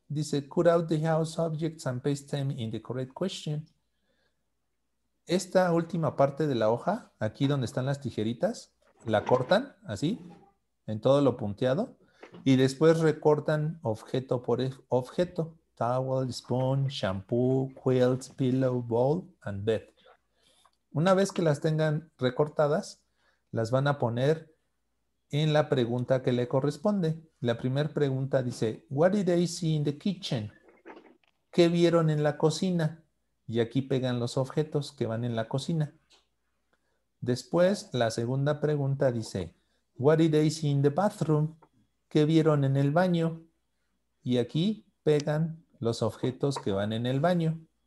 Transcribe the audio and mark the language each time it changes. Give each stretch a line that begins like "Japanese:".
English: Dice, cut out the house objects and paste them in the correct question.
Spanish: Esta última parte de la hoja, aquí donde están las tijeritas, la cortan así, en todo lo punteado. Y después recortan objeto por objeto.
English: Towel, spoon, shampoo, quilt, pillow, bowl, and bed.
Spanish: Una vez que las tengan recortadas, las van a poner en la pregunta que le corresponde. La primera pregunta dice,
English: what did they see in the kitchen?
Spanish: ¿Qué vieron en la cocina? Y aquí pegan los objetos que van en la cocina. Después, la segunda pregunta dice,
English: what did they see in the bathroom?
Spanish: ¿Qué vieron en el baño? Y aquí pegan los objetos que van en el baño.